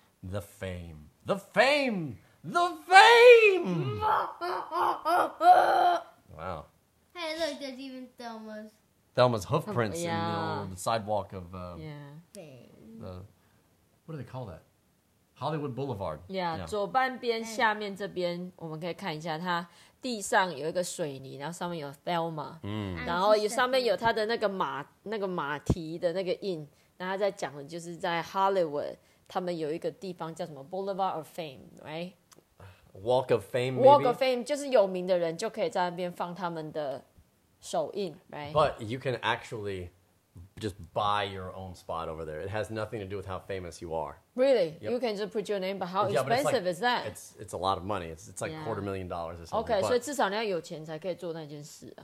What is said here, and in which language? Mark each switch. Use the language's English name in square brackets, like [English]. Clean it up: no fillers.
[English] The fame, the fame, the fame! Wow. Hey, look, there's even Thelma's. Thelma's hoof prints in the sidewalk of what do they call that? Hollywood Boulevard. [Chinese] Yeah, 左半边下面这边，我们可以看一下它地上有一个水泥， 然后上面有Thelma， 然后上面有它的那个马蹄的那个印， 然后它在讲的就是在Hollywood， 他们有一个地方叫什么 Boulevard of Fame, right? [English] Walk of Fame, maybe? [Chinese] Walk of Fame, 就是有名的人就可以在那边放他们的手印, right? [English] But you can actually just buy your own spot over there. It has nothing to do with how famous you are. Really? Yep. You can just put your name, but how expensive but like, is that? It's a lot of money. It's like $250,000 or something. [Chinese] Okay, 所以至少你要有钱才可以做那件事啊。